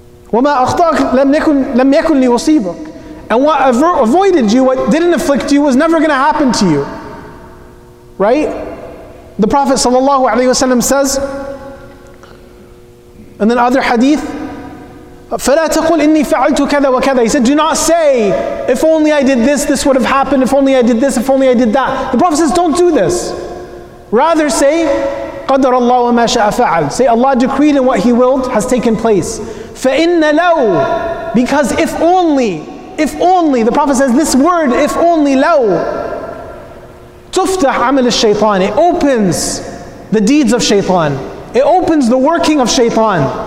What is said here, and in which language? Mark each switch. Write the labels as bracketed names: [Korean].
[Arabic] وَمَا أَخْطَأَكَ لَمْ يَكُنْ لِيُصِيبَكَ [English] and what avoided you, what didn't afflict you, was never going to happen to you. Right? The Prophet ﷺ says, and then other hadith, [Arabic] فَلَا تَقُلْ إِنِّي فَعَلْتُ كَذَا وَكَذَا. [English] He said, do not say, if only I did this, this would have happened. If only I did this, if only I did that. The Prophet says, don't do this. Rather say, [Arabic] قَدَرَ اللَّهُ وَمَا شَاءَ فَعَلْ. [English] Say, Allah decreed and what He willed has taken place. [Arabic] فَإِنَّ لَوْ. [English] Because if only, the Prophet says, this word, if only, لَوْ. [Arabic] تُفْتَحْ عَمِلِ الشَّيْطَانِ. [English] It opens the deeds of shaitan. It opens the working of shaitan.